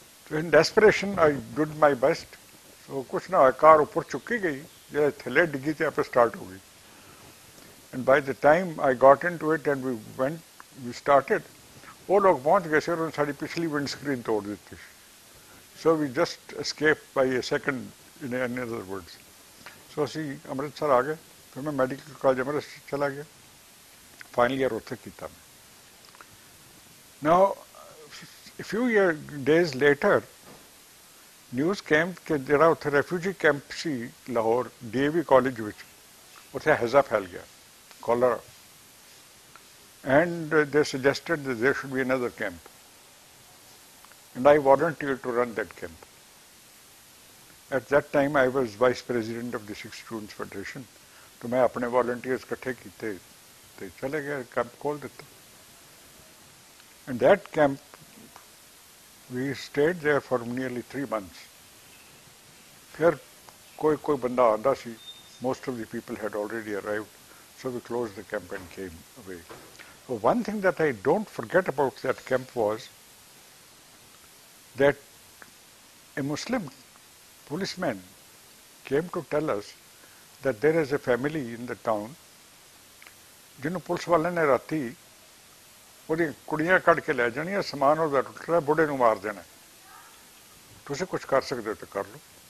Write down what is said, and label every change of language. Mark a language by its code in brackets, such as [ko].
[en] in desperation I did my best so [pa] ਕੁਛ ਨਾ ਹੋਇਆ ਕਾਰ ਉੱਪਰ ਚੁੱਕੀ ਗਈ ਜਿਹੜੇ ਥੱਲੇ ਡਿੱਗੀ ਤੇ ਆਪੇ ਸਟਾਰਟ ਹੋ ਗਈ [en] and by the time I got into it and we went we started [pa] ਉਹ ਲੋਕ ਪਹੁੰਚ ਗਏ ਸੀ ਉਹਨਾਂ ਸਾਡੀ ਪਿਛਲੀ ਵਿੰਡ ਸਕਰੀਨ ਤੋੜ ਦਿੱਤੀ ਸੀ [en] so we just escape by a second in any other words [pa] ਸੋ ਅਸੀਂ ਅੰਮ੍ਰਿਤਸਰ ਆ ਗਏ ਫਿਰ ਮੈਂ ਮੈਡੀਕਲ ਕਾਲਜ ਅੰਮ੍ਰਿਤਸਰ ਚਲਾ ਗਿਆ ਫਾਈਨਲ ਈਅਰ ਉੱਥੇ ਕੀਤਾ ਮੈਂ [en] ਨਾ A few year, days later, news came that there was a refugee camp in Lahore, DAV College, which there was a [pa] haza phail gaya, [en] cholera. And they suggested that there should be another camp. And I volunteered to run that camp. At that time, I was vice president of the Sikh Students Federation. So I had my volunteers [pa] ikatthe kite, to chale gaya, camp khol deta. [en] And that camp, we stayed there for nearly 3 months. [pa] Phir koi koi banda aanda si, [en] most of the people had already arrived, so we closed the camp and came away. So one thing that I don't forget about that camp was that a Muslim policeman came to tell us that there is a family in the town [pa] jinnu police wale ne raati ਉਹਦੀਆਂ ਕੁੜੀਆਂ ਕੱਢ ਕੇ ਲੈ ਜਾਣੀਆਂ ਸਮਾਨ ਉਹਦਾ ਟੁੱਟਣਾ ਬੁੱਢੇ ਨੂੰ ਮਾਰ ਦੇਣਾ ਤੁਸੀਂ ਕੁਛ ਕਰ ਸਕਦੇ ਹੋ ਤਾਂ ਕਰ ਲਓ